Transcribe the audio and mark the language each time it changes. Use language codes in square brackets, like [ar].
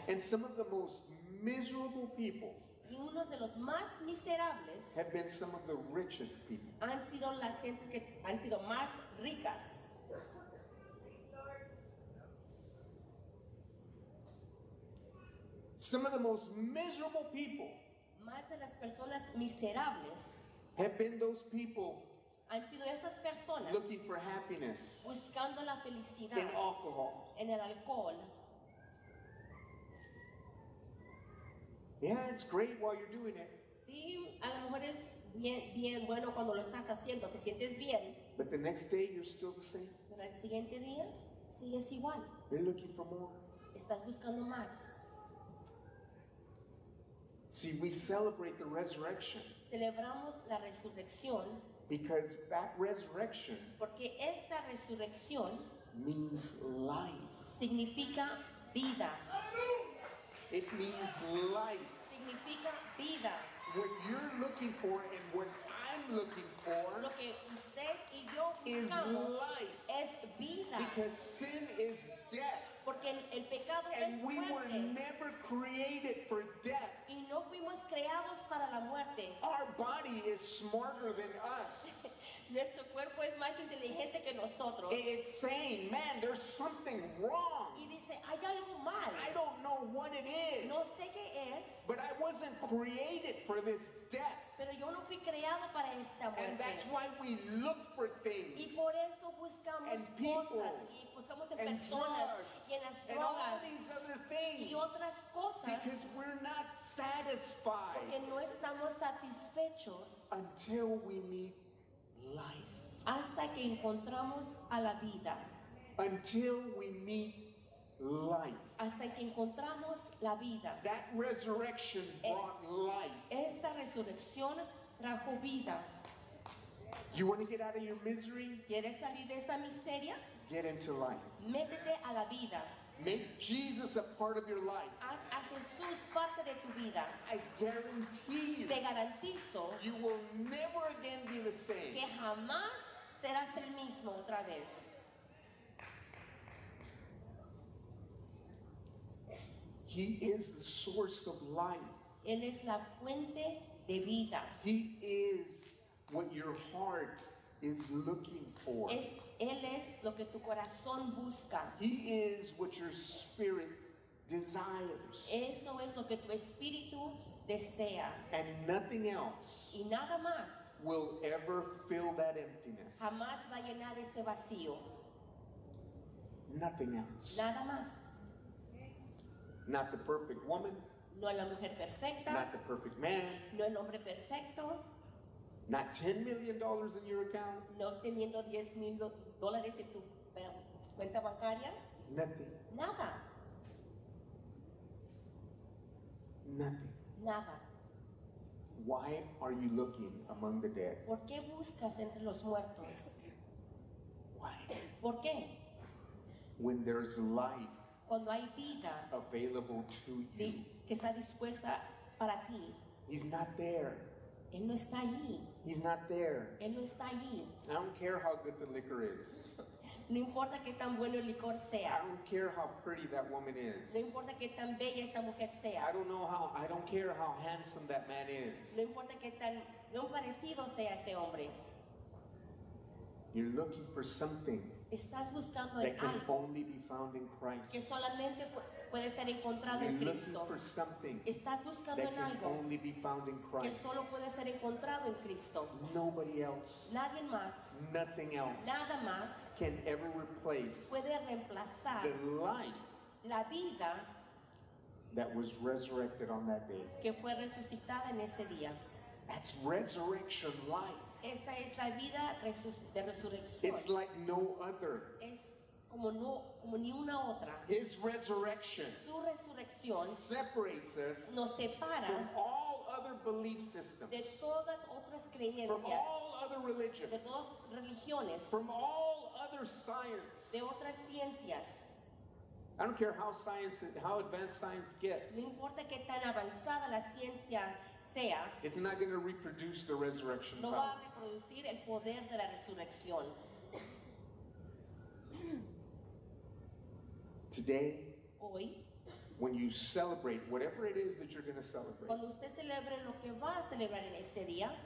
[en] And some of the most miserable people. [es] Y unos de los más miserables [en] have been some of the richest people. [es] Han sido las gentes que han sido más ricas. [en] Some of the most miserable people [es] más de las personas miserables [en] have been those people [es] Han sido esas personas [en] looking for happiness, [es] buscando la felicidad [en] in alcohol. [es] En el alcohol. [en] Yeah, it's great while you're doing it. [es] Sí, a lo mejor es bien bueno cuando lo estás haciendo, te sientes bien. [en] But the next day you're still the same. [es] Pero el siguiente día sigues igual. [en] You're looking for more. [es] Estás buscando más. [en] See, we celebrate the resurrection. [es] Celebramos la resurrección. [en] Because that resurrection. [es] Porque esa resurrección. [en] Means life. [es] Significa vida. [en] It means life. [es] Significa vida. [en] What you're looking for and what I'm looking for. [es] Lo que usted y yo buscamos. [en] Is life. [es] Es vida. [en] Because sin is death. [es] Porque el pecado [en] and [es] es [en] we [es] muerte. [en] Were never created for death. [es] Y no fuimos creados para la muerte. [en] Our body is smarter than us. [es] Nuestro cuerpo es más inteligente que nosotros. [en] It's saying, man, there's something wrong. [es] Y dice, hay algo mal. [en] I don't know what it is. [es] No sé qué es. [en] But I wasn't created for this death. [es] Pero yo no fui creado para esta muerte. [en] And that's why we look for things. [es] Y por eso buscamos [en] and [es] cosas. [en] People, [es] y buscamos de personas. [en] And all these other things. [es] Y otras cosas. [en] Because we're not satisfied. [es] Porque no estamos satisfechos. [en] Until we meet life. [es] Hasta que encontramos a la vida. [en] Until we meet life. [es] Hasta que encontramos la vida. [en] That resurrection brought life. [es] Esa resurrección trajo vida. [en] You want to get out of your misery? [es] ¿Quieres salir de esa miseria? [en] Get into life. [es] Métete a la vida. [en] Make Jesus a part of your life. [es] Haz a Jesús parte de tu vida. [en] I guarantee you. [es] Te garantizo. [en] You will never again be the same. [es] Que jamás serás el mismo otra vez. [en] He is the source of life. [es] Él es la fuente de vida. [en] He is what your heart is looking for. [es] Es, él es lo que tu corazón busca. [en] He is what your spirit desires. [es] Eso es lo que tu espíritu desea. [en] And nothing else [es] y nada más [en] will ever fill that emptiness. [es] Jamás va a llenar ese vacío. [en] Nothing else. [es] Nada más. [en] Not the perfect woman. [es] No la mujer perfecta. [en] Not the perfect man. [es] No el hombre perfecto. [en] Not $10 million in your account. [es] No teniendo 10 mil dólares en tu cuenta bancaria. [en] Nothing. [es] Nada. [en] Nothing. [es] Nada. [en] Why are you looking among the dead? [es] ¿Por qué buscas entre los muertos? [en] Why? [es] ¿Por qué? [en] When there's life. [es] Cuando hay vida. [en] Available to you. [es] Que está dispuesta para ti. [en] He's not there. [es] Él no está allí. [en] He's not there. [es] Él no está allí. [en] I don't care how good the liquor is. [es] No importa qué tan bueno el licor sea. [en] I don't care how pretty that woman is. [es] No importa qué tan bella esa mujer sea. [en] I don't care how handsome that man is. [es] No importa qué tan no parecido sea ese hombre. [en] You're looking for something. [es] Estás buscando [en] that can only be found in Christ. [es] Que solamente puede ser encontrado [en] you're [es] en Cristo. [en] Looking for something [es] estás buscando [en] that [es] en [en] can [es] algo [en] only be found in Christ. [es] Que solo puede ser encontrado en Cristo. [en] Nobody else. [es] Nadie más. [en] Nothing else. [es] Nada más. [en] Can ever replace [es] puede reemplazar [en] the life [es] la vida [en] that was resurrected on that day. [es] Que fue resucitada en ese día. [en] That's resurrection life. [es] Esa es la vida de resurrección. [en] It's like no other. [es] Es como no, como ni una otra. [en] His resurrection. [es] Su resurrección. [en] Separates us. [es] Nos separa. [en] From all other belief systems. [es] De todas otras creencias. [en] From all other religions. [es] De todas religiones. [en] From all other science. [es] De otras ciencias. [en] I don't care how advanced science gets. [es] No importa qué tan avanzada la ciencia sea. [en] It's not going to reproduce the resurrection [es] power. No va a reproducir el poder de la resurrección. [en] Today, [es] hoy, [en] when you celebrate whatever it is that you're going to celebrate, [es] cuando usted celebre lo que va a celebrar en este día,